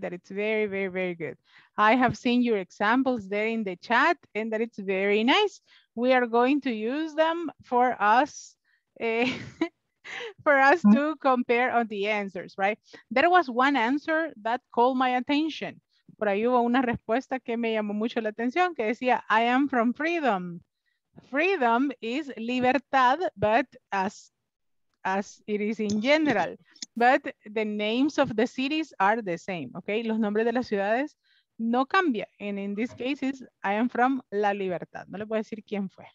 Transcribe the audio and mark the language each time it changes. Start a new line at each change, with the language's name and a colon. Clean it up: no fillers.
English: That it's very, very, very good. I have seen your examples there in the chat and that it's very nice. We are going to use them for us. For us to compare on the answers, right? There was one answer that called my attention.
Spanish: Por ahí hubo una respuesta que me llamó mucho la atención, que decía,
English: I am from freedom. Freedom is libertad, but as it is in general. But the names of the cities are the same, okay?
Spanish: Los nombres de las ciudades no cambia.
English: And in this case, is, I am from La Libertad.
Spanish: No le puedo decir quién fue.